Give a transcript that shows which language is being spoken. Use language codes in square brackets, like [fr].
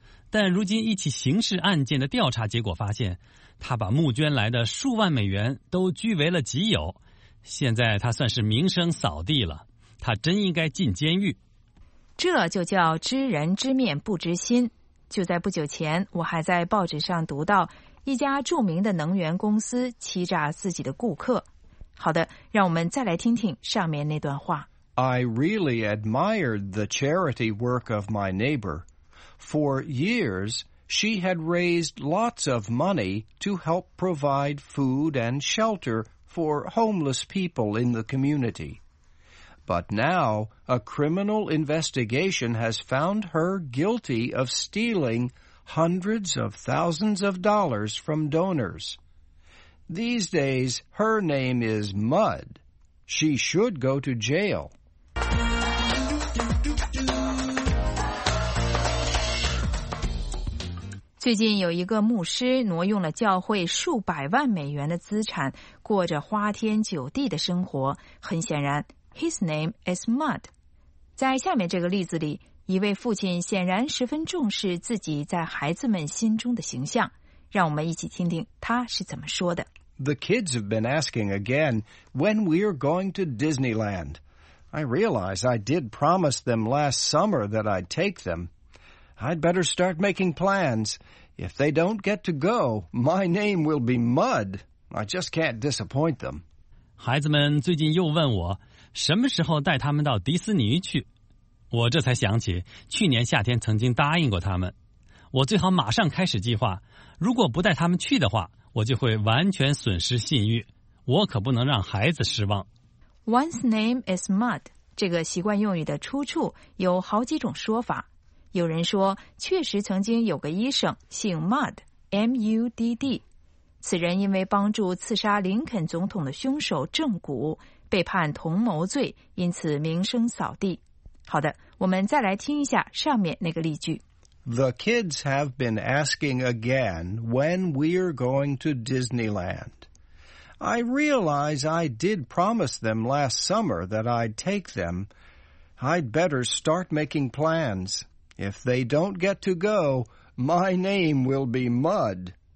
[zh] 但如今一起刑事案件的调查结果发现，他把募捐来的数万美元都据为了己有，现在他算是名声扫地了，他真应该进监狱。这就叫知人知面不知心。就在不久前，我还在报纸上读到一家著名的能源公司欺诈自己的顾客。好的，让我们再来听听上面那段话。 [en] I really admired the charity work of my neighbor. For years, she had raised lots of money to help provide food and shelter for homeless people in the community. But now, a criminal investigation has found her guilty of stealing hundreds of thousands of dollars from donors. These days, her name is Mud. She should go to jail. [zh] 最近有一个牧师挪用了教会数百万美元的资产，过着花天酒地的生活。很显然 [en] ，his name is Mud。 [zh] 在下面这个例子里，一位父亲显然十分重视自己在孩子们心中的形象。让我们一起听听他是怎么说的。 [en] The kids have been asking again when we are going to Disneyland. I realize I did promise them last summer that I'd take them. I'd better start making plans. If they don't get to go, my name will be Mud. I just can't disappoint them. [zh] 孩子们最近又问我什么时候带他们到迪士尼去。我这才想起去年夏天曾经答应过他们。我最好马上开始计划。如果不带他们去的话，我就会完全损失信誉。我可不能让孩子失望。 [en] One's name is Mud. [zh] 这个习惯用语的出处有好几种说法。有人说，确实曾经有个医生姓 Mudd, M-U-D-D。此人因为帮助刺杀林肯总统的凶手正骨，被判同谋罪，因此名声扫地。好的，我们再来听一下上面那个例句。 [en] The kids have been asking again when we're going to Disneyland. I realize I did promise them last summer that I'd take them. I'd better start making plans. If they don't get to go, my name will be Mud.